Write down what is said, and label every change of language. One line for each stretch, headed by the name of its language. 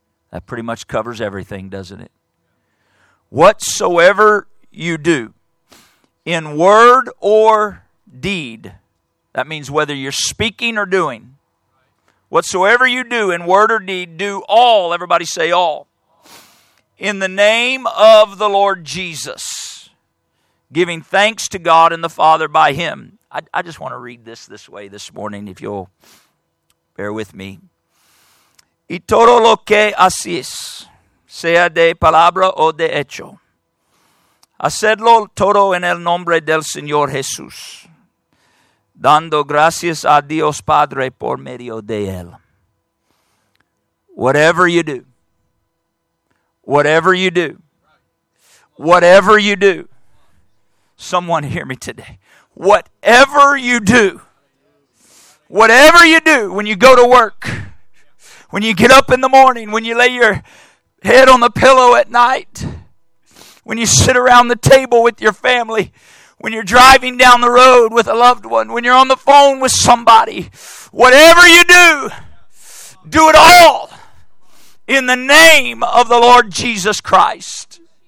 English: That pretty much covers everything, doesn't it? Whatsoever you do, in word or deed, that means whether you're speaking or doing, whatsoever you do in word or deed, do all, everybody say all, in the name of the Lord Jesus, giving thanks to God and the Father by Him. I just want to read this way this morning, if you'll bear with me.
Spanish: Y todo lo que haces, sea de palabra o de hecho, hacerlo todo en el nombre del Señor Jesús, dando gracias a Dios Padre por medio de Él.
English: Whatever you do, whatever you do, whatever you do, someone hear me today. Whatever you do, whatever you do, when you go to work, when you get up in the morning, when you lay your head on the pillow at night, when you sit around the table with your family, when you're driving down the road with a loved one, when you're on the phone with somebody, whatever you do, do it all in the name of the Lord Jesus Christ.